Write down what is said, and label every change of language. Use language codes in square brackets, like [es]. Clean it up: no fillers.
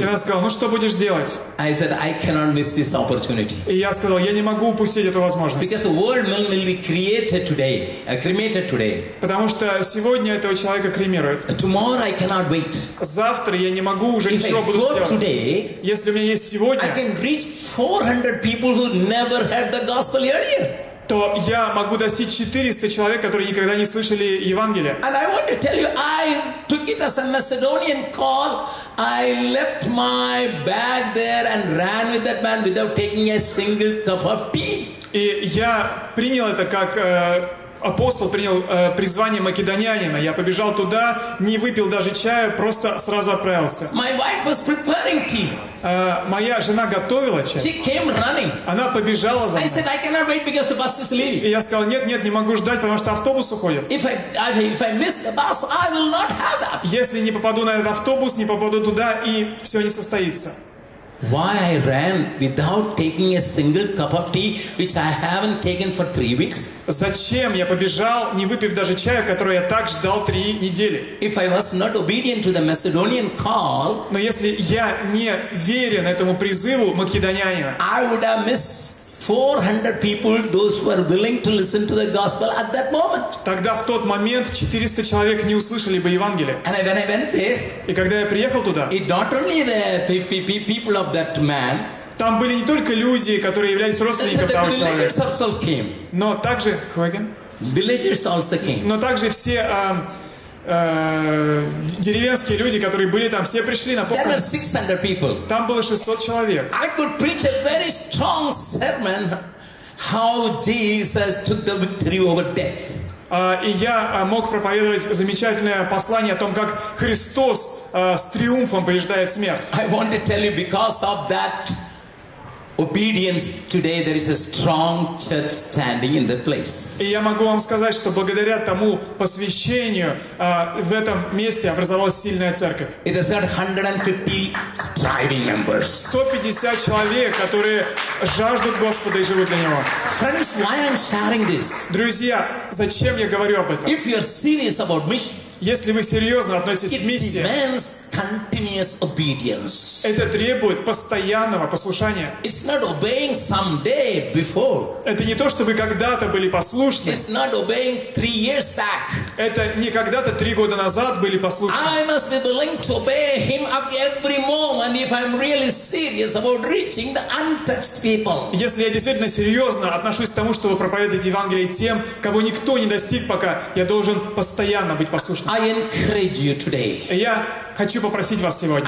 [ru] И она сказала, ну что будешь делать? [en] I said, I cannot miss this opportunity. [ru] И я сказал, я не могу упустить эту возможность. [en] Because the world will be created today, cremated today. [ru] Потому что сегодня этого человека кремируют. [en] Tomorrow I cannot wait. [ru] Завтра я не могу уже [en] If [ru] ничего буду делать. [en] Today, [ru] если у меня есть сегодня, [en] I can reach 400 people who never heard the gospel. [ru] То я могу достичь 400 человек, которые никогда не слышали Евангелия. [en] And I want to tell you, I took it as a Macedonian call. I left my bag there and ran with that man without taking a single cup of tea. [ru] И я принял это как апостол принял призвание македонянина. Я побежал туда, не выпил даже чая, просто сразу отправился. [en] My wife was preparing tea. [ru] Моя жена готовила чай. [en] She came running. [ru] Она побежала за мной. [en] I said, I cannot wait because the bus is leaving. [ru] И я сказал, нет, не могу ждать, потому что автобус уходит. [en] If I miss the bus, I will not have that. [ru] Если не попаду на этот автобус, не попаду туда, и все не состоится. [en] Why I ran without taking a single cup of tea, which I haven't taken for 3 weeks? [ru] Зачем я побежал, не выпив даже чая, который я так ждал 3 недели? [en] If I was not obedient to the Macedonian call, [ru] но если я не верен этому призыву македонянина, [en] I would have missed 400 people, those who are willing to listen to the gospel at that moment. [ru] Тогда в тот момент 400 человек не услышали бы Евангелие. [en] And when I went there, [ru] и когда я приехал туда, [en] it not only the people of that man. [ru] Там были не только люди, которые являлись родственниками того [en] the villagers [ru] человека. [en] Also came. [ru] Но также, Хоган. [en] Villagers also came. [ru] Но также все деревенские люди, которые были там, все пришли на похороны. [en] There were 600 people. [ru] Там было 600 человек. [en] I could preach a very strong sermon how Jesus took the victory over death. [ru] И я мог проповедовать замечательное послание о том, как Христос с триумфом побеждает смерть. [en] I want to tell you because of that obedience today there is a strong church standing in the place. [ru] И я могу вам сказать, что благодаря тому посвящению в этом месте образовалась сильная церковь. [en] It has got 150 striving members. [ru] 150 человек, которые жаждут Господа и живут для Него. [en] Friends, why I'm sharing this? [ru] Друзья, зачем я говорю об этом? [en] If you're serious about mission. [ru] Если вы серьезно относитесь к миссии, [en] it demands continuous obedience. [ru] Это требует постоянного послушания. [en] It's not obeying someday before. [ru] Это не то, что вы когда-то были послушны. [en] It's not obeying 3 years back. [ru] Это не когда-то 3 года назад были послушны. [en] I must be willing to obey him at every moment if I'm really serious about reaching the untouched people. [ru] Если я действительно серьезно отношусь к тому, чтобы проповедовать Евангелие тем, кого никто не достиг пока, я должен постоянно быть послушным. [en] I encourage you today. [ru] Я хочу попросить вас сегодня.